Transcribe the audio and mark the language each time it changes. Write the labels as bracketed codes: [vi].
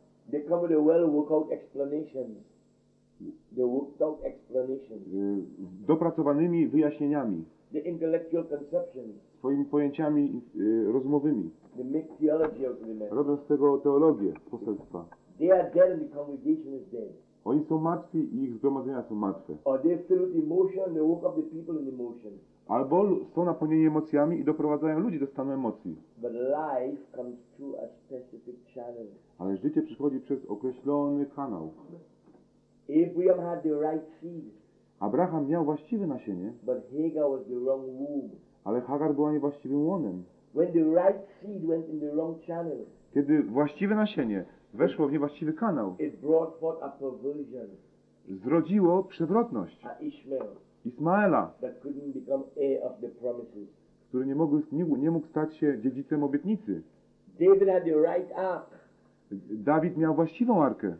[en] They come with a well-worked out explanation. without explanation. [pl] Dopracowanymi wyjaśnieniami. [en] The intellectual conception. [pl] Swoimi pojęciami rozmowymi. [en] They make theology of the matter. [pl] Robią z tego teologię poselstwa. [en] They are dead and the congregation is dead. [pl] Oni są martwi i ich zgromadzenia są martwe. [en] Or they feel with emotion, they woke up the people in emotion. [pl] Albo są napełnieni emocjami i doprowadzają ludzi do stanu emocji. [en] But life comes through a specific channel. [pl] Ale życie przychodzi przez określony kanał. [en] Abraham had the right seed. [pl] Abraham miał właściwe nasienie. [en] But Hagar was the wrong womb. [pl] Ale Hagar była niewłaściwym łonem. [en] When the right seed went in the wrong channel. [pl] Kiedy właściwe nasienie weszło w niewłaściwy kanał. [en] It brought forth a perversion. [pl] Zrodziło przewrotność. [en] A Ishmael. [pl] Ismaela, [en] that couldn't become heir of the promises. [pl] Który nie mógł stać się dziedzicem obietnicy. [en] David had the right ark. [pl] Dawid miał właściwą arkę.